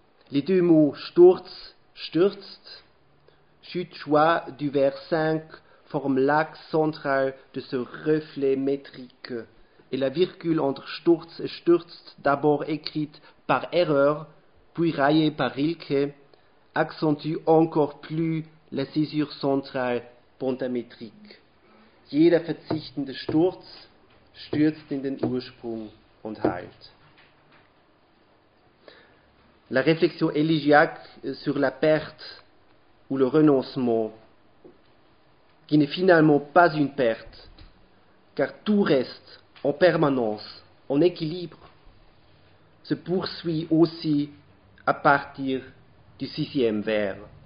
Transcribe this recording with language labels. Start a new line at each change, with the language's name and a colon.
French: Les deux mots sturz, stürzt, chute, joie du vers 5 forme l'axe central de ce reflet métrique. Et la virgule entre Sturz et Stürzt, d'abord écrite par erreur, puis raillée par Rilke, accentue encore plus la césure centrale pentamétrique.
German: Jeder verzichtende Sturz stürzt in den Ursprung und heilt.
French: La réflexion élégiaque sur la perte ou le renoncement, qui n'est finalement pas une perte, car tout reste en permanence, en équilibre, se poursuit aussi à partir du sixième vers.